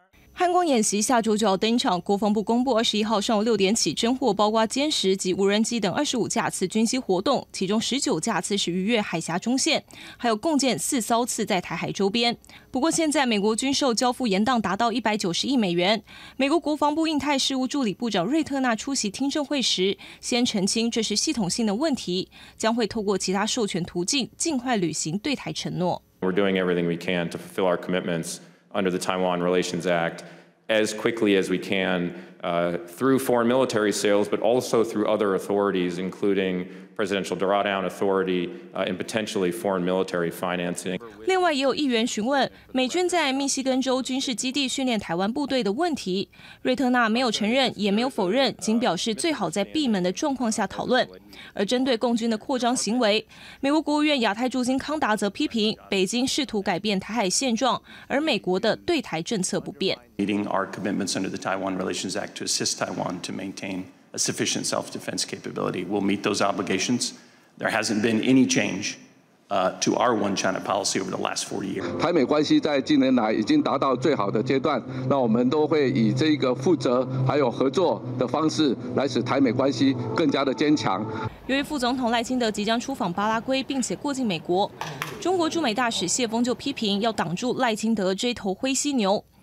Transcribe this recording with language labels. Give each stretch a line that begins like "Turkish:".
Chinese: 汉光演习下周就要登场，国防部公布21号上午6点起侦获包括歼十及无人机等25架次军机活动，其中19架次是逾越海峡中线，还有共建4艘次在台海周边。不过现在美国军售交付延宕达到190亿美元。美国国防部印太事务助理部长瑞特纳出席听证会时，先澄清这是系统性的问题，将会透过其他授权途径尽快履行对台承诺。
English: We're doing everything we can to fulfill our commitments. Under the Taiwan Relations Act, as quickly as we can, through foreign military sales, but also through other authorities, including presidential drawdown authority, and potentially foreign military financing.
Chinese: 另外，也有议员询问美军在密西根州军事基地训练台湾部队的问题。瑞特纳没有承认，也没有否认，仅表示最好在闭门的状况下讨论。而针对共军的扩张行为，美国国务院亚太驻京康达则批评北京试图改变台海现状，而美国的对台政策不变。
English: Meeting our commitments under the Taiwan Relations Act to assist Taiwan to maintain a sufficient self-defense capability, we'll meet those obligations. There hasn't been any change to our One China policy over the last 4 years.
Chinese: 台美关系在近年来已经达到最好的阶段，那我们都会以这个负责还有合作的方式来使台美关系更加的坚强。由于副总统赖清德即将出访巴拉圭，并且过境美国，中国驻美大使谢峰就批评要挡住赖清德这头灰犀牛。